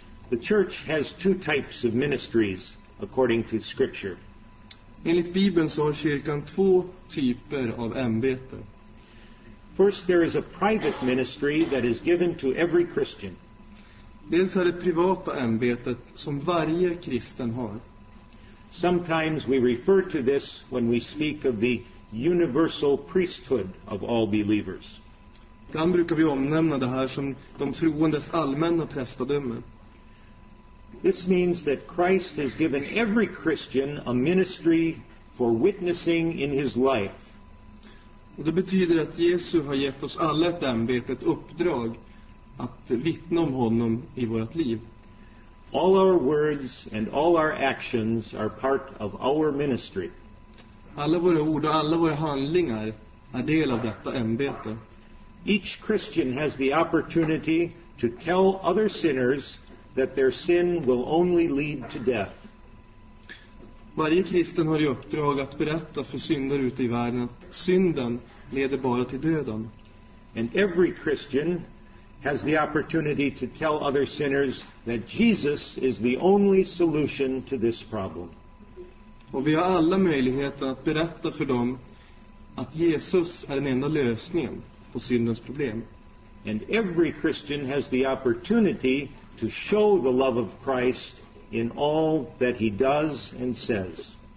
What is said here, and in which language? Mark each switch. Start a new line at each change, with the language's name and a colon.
English: The church has two types of ministries according to scripture.
Swedish: Enligt Bibeln så har kyrkan två typer av ämbete.
English: First, there is a private ministry that is given to every Christian.
Swedish: Dels är det privata ämbetet som varje kristen har.
English: Sometimes we refer to this when we speak of the universal priesthood of all believers.
Swedish: Ibland brukar vi omnämna det här som de troendes allmänna prästadöme.
English: This means that Christ has given every Christian a ministry for witnessing in his life.
Swedish: Och det betyder att Jesus har gett oss alla ett ämbete, ett uppdrag att vittna om honom i vårt liv.
English: All our words and all our actions are part of our ministry.
Swedish: Alla våra ord och alla våra handlingar är del av detta ämbete.
English: Each Christian has the opportunity to tell other sinners that their sin will only lead to death.
Swedish: Varje kristen har i uppdrag att berätta för syndare ute i världen att synden leder bara till döden.
English: And every Christian has the opportunity to tell other sinners that Jesus is the only solution to this problem.
Swedish: Och vi har alla möjligheter att berätta för dem att Jesus är den enda lösningen på syndens problem.
English: And every Christian has the opportunity to show the love of Christ in all that he does and says.